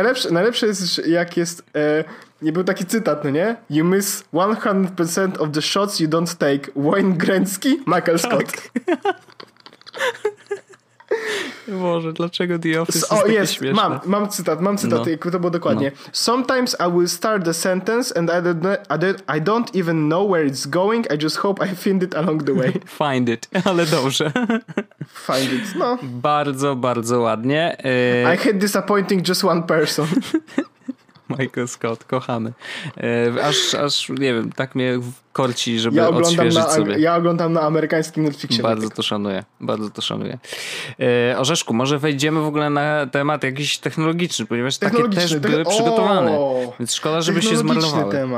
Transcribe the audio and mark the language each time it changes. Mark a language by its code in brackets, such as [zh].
[pl] Najlepsze jest, jak jest... nie był taki cytat, no nie? [en] You miss 100% of the shots you don't take. [pl] Wayne Gretzky, Michael Scott. Tak. Boże, dlaczego The Office jest takie jest, śmieszne? Mam cytat, no. Jakby to było dokładnie. No. [en] Sometimes I will start the sentence and I don't even know where it's going, I just hope I find it along the way. Find it, [pl] ale dobrze. [en] Find it, [pl] no. Bardzo, bardzo ładnie. [en] I hate disappointing just one person. [pl] Michael Scott, kochany. Aż nie wiem, tak mnie korci, żeby ja odświeżyć sobie. Ja oglądam na amerykańskim Netflixie. Bardzo to szanuję. Orzeszku, może wejdziemy w ogóle na temat jakiś technologiczny, ponieważ technologiczny, takie też były przygotowane. Więc szkoda, żeby się zmarnowały.